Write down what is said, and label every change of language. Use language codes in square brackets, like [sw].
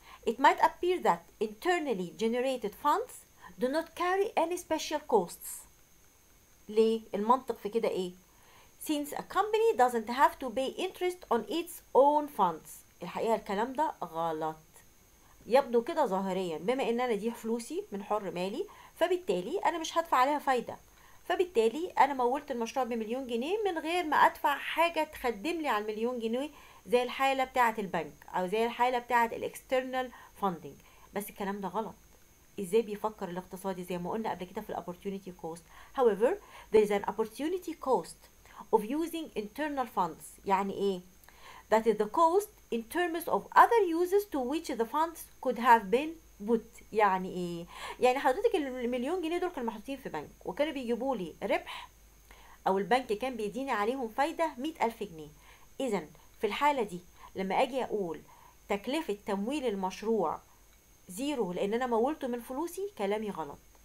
[en] It might appear that internally generated funds do not carry any special costs. [ar] ليه؟ المنطق في كده ايه؟ [en] Since a company doesn't have to pay interest on its own funds. [ar] الحقيقة الكلام ده غلط. يبدو كده ظاهريا، بما ان انا دي فلوسي من حر مالي فبالتالي انا مش هدفع عليها فايدة، فبالتالي انا مولت المشروع بمليون جنيه من غير ما ادفع حاجة تخدم لي على المليون جنيه، زي الحالة بتاعت البنك او زي الحالة بتاعت الاكسترنال فاندنج. بس الكلام ده غلط. ازاي بيفكر الاقتصادي؟ زي ما قلنا قبل كده في الاوبورتيونيتي كوست. [en] however there is an opportunity cost of using internal funds. [ar] يعني ايه؟ [en] that is the cost in terms of other uses to which the funds could have been put. [ar] يعني ايه؟ يعني حضرتك المليون جنيه دول كانوا محطوطين في بنك وكانوا بيجيبوا لي ربح، او البنك كان بيديني عليهم فايده 100,000 جنيه. اذا في الحاله دي لما اجي اقول تكلفه تمويل المشروع زيرو لان انا مولته من فلوسي، كلامي غلط.